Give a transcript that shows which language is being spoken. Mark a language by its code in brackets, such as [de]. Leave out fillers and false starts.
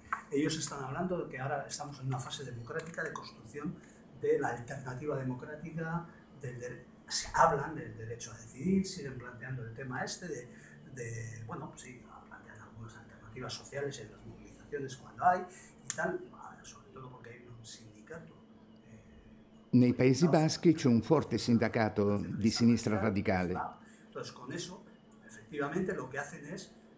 [es] Ellos están hablando de que ahora estamos en una fase democrática de construcción de la alternativa democrática, se hablan del derecho a decidir, siguen planteando el tema este bueno, sí, plantean algunas alternativas sociales en las movilizaciones cuando hay y tal, sobre todo porque hay un sindicato. [it] Nei Paesi Baschi c'è un forte sindacato di sinistra radicale. [es] Entonces, con eso, efectivamente, lo que hacen es